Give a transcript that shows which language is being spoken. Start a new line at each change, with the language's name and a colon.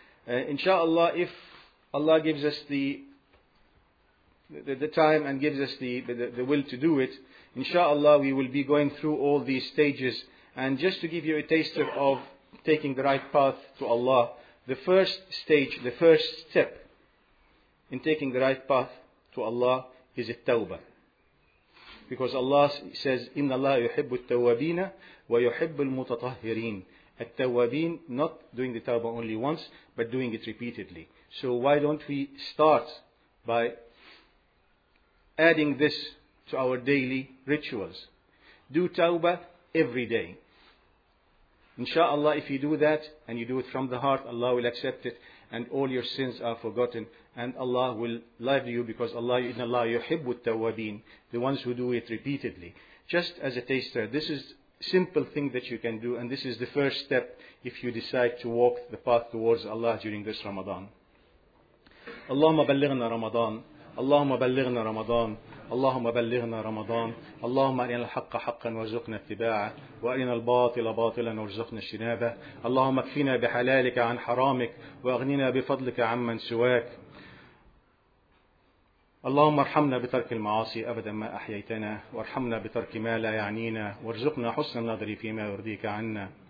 English: Inshallah, if Allah gives us the time and gives us the will to do it, inshallah, we will be going through all these stages. And just to give you a taste of taking the right path to Allah, the first stage, the first step in taking the right path to Allah is a tawbah. Because Allah says,
Arabic: إِنَّ اللَّهَ يُحِبُّ التَّوَّابِينَ وَيُحِبُّ الْمُتَطَهِّرِينَ.
English: التَّوَّابِين, not doing the tawbah only once, but doing it repeatedly. So why don't we start by adding this to our daily rituals? Do tawbah every day. Insha'Allah, if you do that, and you do it from the heart, Allah will accept it, and all your sins are forgotten, and Allah will love you, because Allah, in Allah,
Arabic: يحب التوابين,
English: the ones who do it repeatedly. Just as a taster, this is a simple thing that you can do, and this is the first step if you decide to walk the path towards Allah during this Ramadan.
Arabic: Allahumma balighna Ramadan. Allahumma balighna Ramadan. اللهم بلغنا رمضان اللهم أرنا الحق حقا وارزقنا اتباعه وأرنا الباطل باطلا وارزقنا اجتنابه اللهم اكفنا بحلالك عن حرامك وأغننا بفضلك عمن سواك اللهم ارحمنا بترك المعاصي أبدا ما أحييتنا وارحمنا بترك ما لا يعنينا وارزقنا حسن النظر فيما يرضيك عنا